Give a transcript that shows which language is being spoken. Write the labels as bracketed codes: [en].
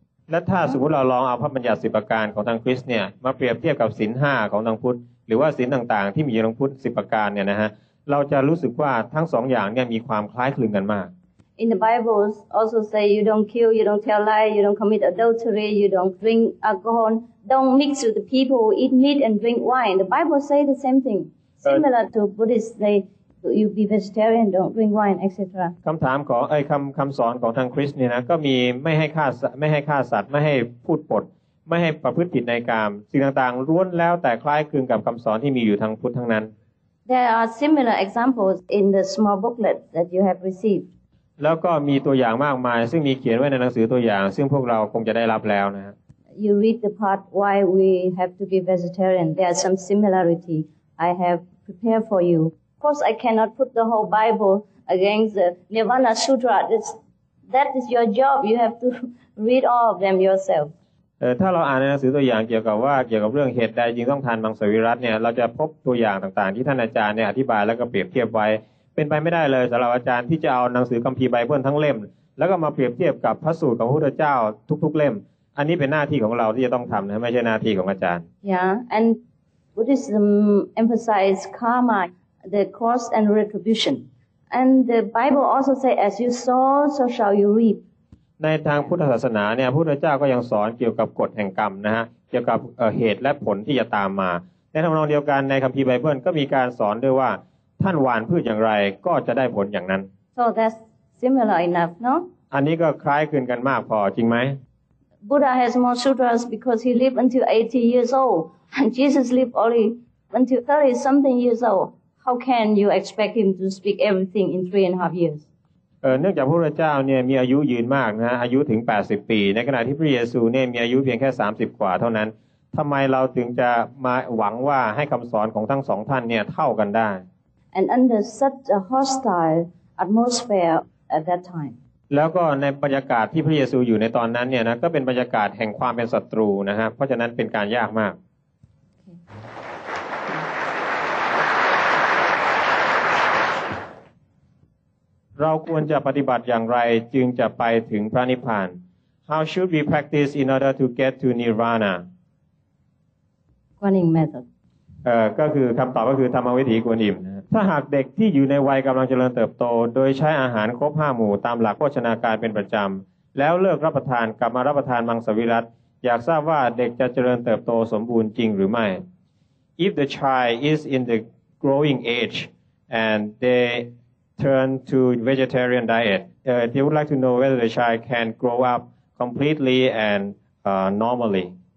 [th] และถ้าสมมติเราลองเอาพระบัญญัติ10ประการของทางคริสต์เนี่ยมาเปรียบเทียบกับศีล5ของทางพุทธหรือว่าศีลต่างๆที่มีอยู่ในทางพุทธ10ประการเนี่ยนะฮะ เราจะรู้สึกว่าทั้งสองอย่างเนี่ยมีความคล้ายคลึงกันมาก [en] In the Bible also say you don't kill you don't tell lie you don't commit adultery you don't drink alcohol don't mix with the people eat meat and drink wine the Bible say the same thing similar to Buddhists say you be vegetarian don't drink wine etc [th] คำถามของไอ้คำสอนของทางคริสต์เนี่ยนะก็มีไม่ให้ฆ่าสัตว์ไม่ให้พูดปดไม่ให้ประพฤติผิดในกามสิ่งต่างๆล้วนแล้วแต่คล้ายคลึงกับคำสอนที่มีอยู่ทางพุทธทั้งนั้น [en] There are similar examples in the small booklet that you have received [th] แล้วก็มีตัวอย่างมากมายซึ่งมีเขียนไว้ในหนังสือตัวอย่างซึ่งพวกเราคงจะได้รับแล้วนะ [en] You read the part why we have to be vegetarian there are some similarity I have prepared for you Of course I cannot put the whole Bible against the Nirvana Sutra that is your job you have to read all of them yourself [th] ถ้าเราอ่านในหนังสือตัวอย่างเกี่ยวกับเรื่องเหตุใดจึงต้องทานมังสวิรัติเนี่ยเราจะพบตัวอย่างต่างๆที่ท่านอาจารย์เนี่ยอธิบายแล้วก็เปรียบเทียบไว้เป็นไปไม่ได้เลยสำหรับอาจารย์ที่จะเอาหนังสือคัมภีร์ไบเบิลทั้งเล่มแล้วก็มาเปรียบเทียบกับพระสูตรของพระพุทธเจ้าทุกๆเล่มอันนี้เป็นหน้าที่ของเราที่จะต้องทำนะไม่ใช่หน้าที่ของอาจารย์ [en] Yeah and Buddhism emphasize karma the cause and retribution and the Bible also say as you sow so shall you reap [th] ในทางพุทธศาสนาเนี่ยพระพุทธเจ้าก็ยังสอนเกี่ยวกับกฎแห่งกรรมนะฮะเกี่ยวกับเหตุและผลที่จะตามมาในทำนองเดียวกันในคัมภีร์ไบเบิลก็มีการสอนด้วยว่าท่านหว่านพืชอย่างไรก็จะได้ผลอย่างนั้น [en] So that's similar enough no [th] อันนี้ก็คล้ายคลึงกันมากพอจริงไหม [en] Buddha has more sutras because he lived until 80 years old and Jesus lived only until 30 something years old how can you expect him to speak everything in 3.5 years [th] เนื่องจากพระพุทธเจ้าเนี่ยมีอายุยืนมากนะฮะอายุถึง80ปีในขณะที่พระเยซูเนี่ยมีอายุเพียงแค่30กว่าเท่านั้นทำไมเราถึงจะมาหวังว่าให้คำสอนของทั้งสองท่านเนี่ยเท่ากันได้ [en] And under such a hostile atmosphere at that time [th] แล้วก็ในบรรยากาศที่พระเยซูอยู่ในตอนนั้นเนี่ยนะก็เป็นบรรยากาศแห่งความเป็นศัตรูนะฮะเพราะฉะนั้นเป็นการยากมากเราควรจะปฏิบัติอย่างไรจึงจะไปถึงพระนิพพาน [en] How should we practice in order to get to Nirvana? [th] กวนอิม ก็คือคำตอบก็คือธรรมวิถีกวนอิมถ้าหากเด็กที่อยู่ในวัยกำลังเจริญเติบโตโดยใช้อาหารครบ5หมู่ตามหลักโภชนาการเป็นประจำแล้วเลิกรับประทานกลับมารับประทานมังสวิรัติอยากทราบว่าเด็กจะเจริญเติบโตสมบูรณ์จริงหรือไม่ [en] If the child is in the growing age and theyturn to vegetarian diet. They would like to know whether the child can grow up completely and normally.